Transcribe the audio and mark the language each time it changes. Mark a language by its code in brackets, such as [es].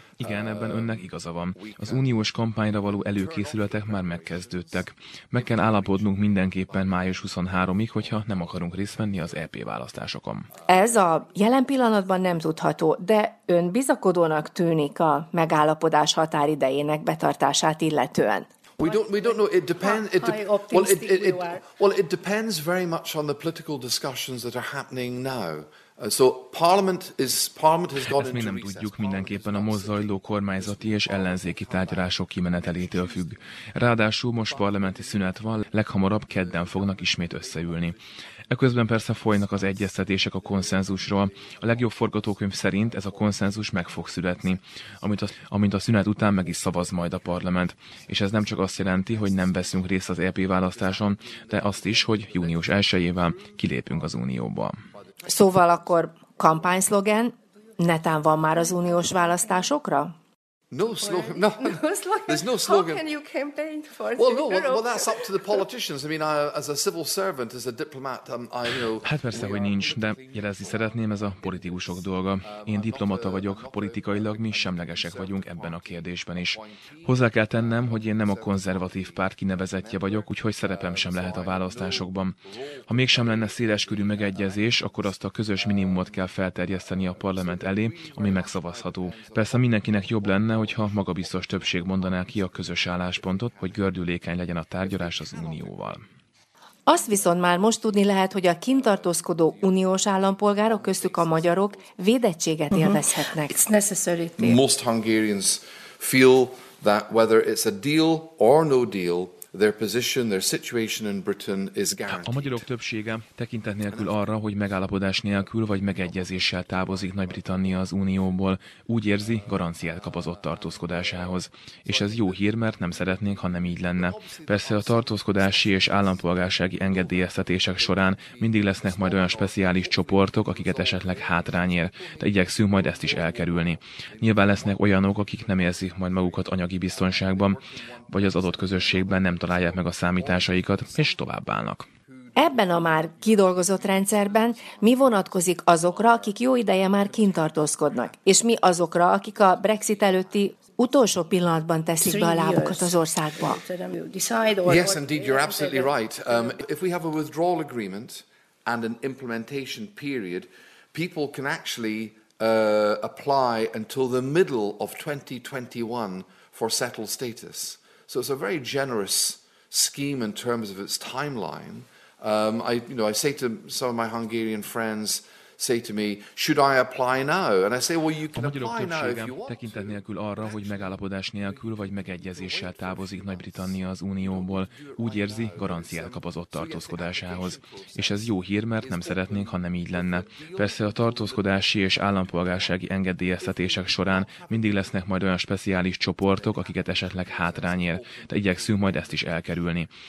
[hu] Igen, ebben önnek igaza van. Az uniós kampányra való előkészületek már megkezdődtek. Meg kell állapodnunk mindenképpen május 23-ig, hogyha nem akarunk részt venni az EP választásokon. Ez a jelen pillanatban nem tudható, de ön bizakodónak tűnik a megállapodás határidejének betartását illetően. [en] We don't know. It depends very much on the political discussions that are happening now. So parliament has got [hu] Nem tudjuk, mindenképpen a most zajló kormányzati és ellenzéki tárgyalások kimenetelétől függ. Ráadásul most parlamenti szünet van, leghamarabb kedden fognak ismét összeülni. Eközben persze folynak az egyeztetések a konszenzusról. A legjobb forgatókönyv szerint ez a konszenzus meg fog születni, amint a szünet után meg is szavaz majd a parlament. És ez nem csak azt jelenti, hogy nem veszünk részt az EP választáson, de azt is, hogy június 1-jével kilépünk az unióból. Szóval akkor kampányszlogen, netán van már az uniós választásokra? [en] No slogan. How can you campaign for Well, that's up to the politicians. I mean, as a civil servant, as a diplomat, I know. [hu] Hát persze, hogy nincs, de jelezni szeretném, ez a politikusok dolga. Én diplomata vagyok, politikailag mi semlegesek vagyunk ebben a kérdésben is. Hozzá kell tennem, hogy én nem a konzervatív párt kinevezettje vagyok, úgyhogy szerepem sem lehet a választásokban. Ha mégsem lenne széleskörű megegyezés, akkor azt a közös minimumot kell felterjeszteni a parlament elé, ami megszavazható. Persze mindenkinek jobb lenne, hogyha magabiztos többség mondaná ki a közös álláspontot, hogy gördülékeny legyen a tárgyalás az unióval. Azt viszont már most tudni lehet, hogy a kintartózkodó uniós állampolgárok, köztük a magyarok, védettséget élvezhetnek. [en] It's necessary. Most Hungarians feel that whether it's a deal or no deal, their position, their situation in Britain is guaranteed. [hu] A magyarok többsége tekintet nélkül arra, hogy megállapodás nélkül vagy megegyezéssel távozik Nagy-Britannia az unióból, úgy érzi, garanciát kap az ott tartózkodásához. És ez jó hír, mert nem szeretnénk, ha nem így lenne. Persze a tartózkodási és állampolgársági engedélyeztetések során mindig lesznek majd olyan speciális csoportok, akiket esetleg hátrányér, de igyekszünk majd ezt is elkerülni. Nyilván lesznek olyanok, akik nem érzik majd magukat anyagi biztonságban, vagy az adott közösségben nem találják meg a számításaikat, és tovább állnak. Ebben a már kidolgozott rendszerben mi vonatkozik azokra, akik jó ideje már kint tartózkodnak, és mi azokra, akik a Brexit előtti utolsó pillanatban teszik be a lábukat az országba? [en] Yes, indeed, you're absolutely right. If we have a withdrawal agreement and an implementation period, people can actually apply until the middle of 2021 for settled status. So it's a very generous scheme in terms of its timeline. I say to some of my Hungarian friends, say to me, should I apply now? And I say, well, you can apply now if you want. [hu] Tekintet nélkül arra, hogy megállapodás nélkül vagy megegyezéssel távozik Nagy-Britannia az unióból, úgy érzi, garanciát kap az ott tartózkodásához. És ez jó hír, mert nem szeretnénk, ha nem így lenne. Persze a tartózkodási és állampolgársági engedélyeztetések során mindig lesznek majd olyan speciális csoportok, akiket esetleg hátrányér, de igyekszünk majd ezt is elkerülni.